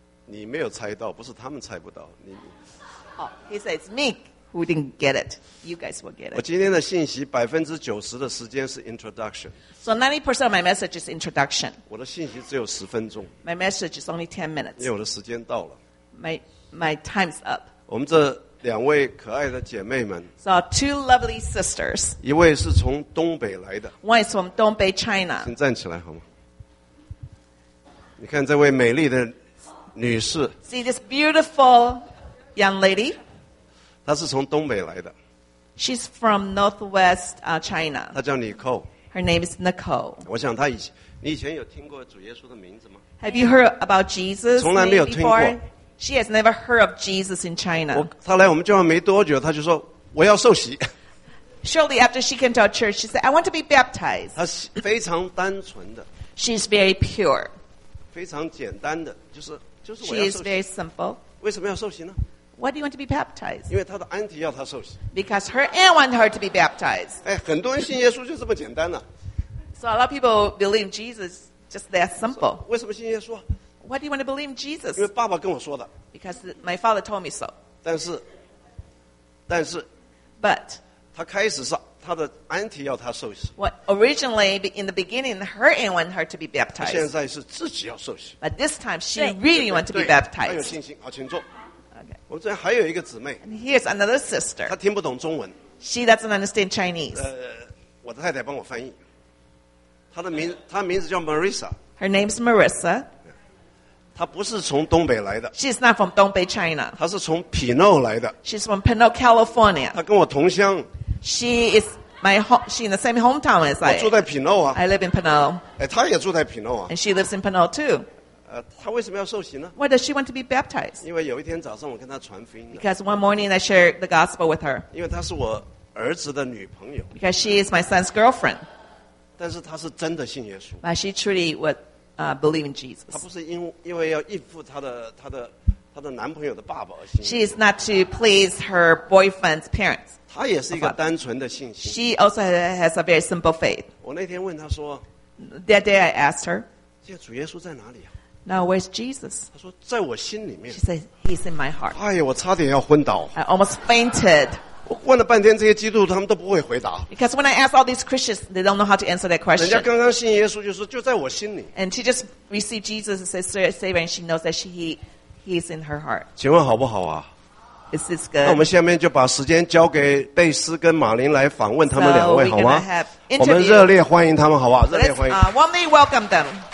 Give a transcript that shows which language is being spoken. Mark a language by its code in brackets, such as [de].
[zh] 你没有猜到，不是他们猜不到。 [en] He said it's me who didn't get it. You guys will get it. [zh] 我今天的信息 90% 的时间是 introduction. [en] So 90% of my message is introduction. [zh] 我的信息只有10分钟。 [en] My message is only 10 minutes. [zh] 因为我的时间到了。 [en] My time's up. [zh] 我们这两位可爱的姐妹们 [en] ，So two lovely sisters， [zh] 一位是从东北来的 [en] ，One is from 东北 China。 [zh] 请站起来好吗？你看这位美丽的女士 [en] ，See this beautiful young lady， [zh] 她是从东北来的 [en] ，She's from Northwest China。 [zh] 她叫 Nicole， [en] Her name is Nicole。 [zh] 我想她以前，你以前有听过主耶稣的名字吗 [en] ？Have you heard about Jesus？ [zh] 从来没有听过。 [en] She has never heard of Jesus in China. [zh] 她来我们教会没多久，她就说我要受洗。 [en] Shortly after she came to our church, she said, "I want to be baptized." [zh] 她非常单纯的。 [en] She's very pure. [zh] 非常简单的，就是我要受洗。 [en] She is very simple. [zh] 为什么要受洗呢 [en] ？Why do you want to be baptized? [zh] 因为她的 aunt 要她受洗。 [en] Because her aunt wanted her to be baptized. [zh] 哎，很多人信耶稣就这么简单了。 [en] So a lot of people believe Jesus just that simple. [zh] 为什么信耶稣？ [en] Why do you want to believe in Jesus? [zh] 因为爸爸跟我说的。 [en] Because my father told me so. [zh] 但是 [en] But [zh] 他开始是他的 aunt 要他受洗。 [en] Well, originally, in the beginning, her aunt wanted her to be baptized. [zh] 现在是自己要受洗。 [en] But this time, she really wanted to be baptized. [zh] 很有信心。好，请坐。Okay. 我这边还有一个姊妹。 [en] And here's another sister. [zh] 她听不懂中文。 [en] She doesn't understand Chinese. [zh] 我的太太帮我翻译。她的名字叫 Marissa. [en] Her name's Marissa. [zh] 她不是从东北来的, [en] She's not from Dongbei, China. [zh] 她是从Pinot来的, [en] She's from Pinot, California. [zh] 她跟我同乡, [en] she is my home, she in the same hometown as I. [zh] 我住在Pinot啊, [en] I live in Pinot. [zh] 哎, 她也住在Pinot啊, [en] and she lives in Pinot too. [zh] 她为什么要受洗呢? [en] Why does she want to be baptized? [zh] 因为有一天早上我跟她传福音, [en] because one morning I shared the gospel with her. [zh] 因为她是我儿子的女朋友, [en] because she is my son's girlfriend. [zh] 但是她是真的信耶稣, [en] but she truly would believe in Jesus. [zh] 她不是因为要应付她的男朋友的爸爸而信耶稣, [en] she is not to please her boyfriend's parents. [zh] 她也是一个单纯的信心, [en] she also has a very simple faith. [zh] 我那天问她说, [en] that day I asked her, [zh] 现在主耶稣在哪里啊? [en] Now, where's Jesus? [zh] 她说在我心里面, [en] she said, he's in my heart. [zh] 哎呀我差点要昏倒, [en] I almost fainted. [zh] 问了半天这些基督徒他们都不会回答, [en] because when I ask all these Christians, they don't know how to answer that question. [zh] 人家刚刚信耶稣就说就在我心里, [en] and she just received Jesus as a Savior, and she knows that he is in her heart. [zh] 请问好不好啊? [en] Is this good? [zh] 那我们下面就把时间交给贝斯跟马林来访问他们两位好吗? [en] So [zh] 我们热烈欢迎他们好吧? 热烈欢迎, [en] warmly welcome them.